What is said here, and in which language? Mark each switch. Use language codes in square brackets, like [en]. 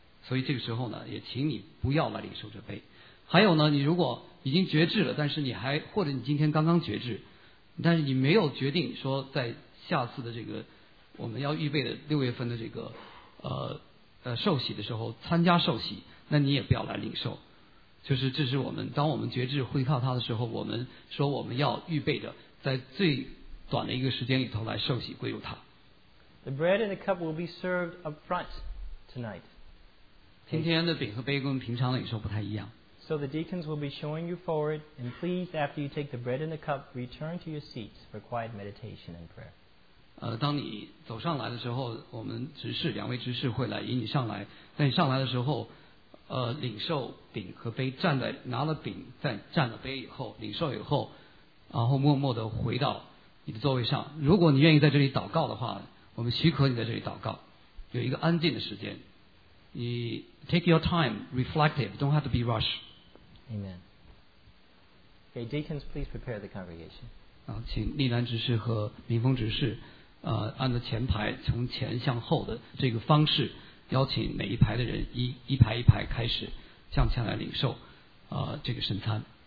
[zh] 所以这个时候呢，也请你不要来领受这杯。还有呢，你如果已经觉知了，但是你还或者你今天刚刚觉知，但是你没有决定说在下次的这个我们要预备的六月份的这个受洗的时候参加受洗，那你也不要来领受。就是这是我们当我们觉知会靠他的时候，我们说我们要预备着在最短的一个时间里头来受洗归入他。 [en] The bread and the cup will be served up front tonight. [zh] 今天的饼和杯跟平常的领受不太一样。 [en] So the deacons will be showing you forward, and please, after you take the bread and the cup, return to your seats for quiet meditation and prayer. [zh] 当你走上来的时候，我们执事两位执事会来引你上来。在你上来的时候，领受饼和杯，站在拿了饼，再站了杯以后，领受以后，然后默默地回到你的座位上。如果你愿意在这里祷告的话，我们许可你在这里祷告，有一个安静的时间。 [en] 你 take your time, reflective, don't have to be rushed. Amen. Okay, deacons, please prepare the congregation. [zh] 请丽兰执事和明峰执事按照前排，从前向后的这个方式，邀请每一排的人一排一排开始向前来领受这个圣餐。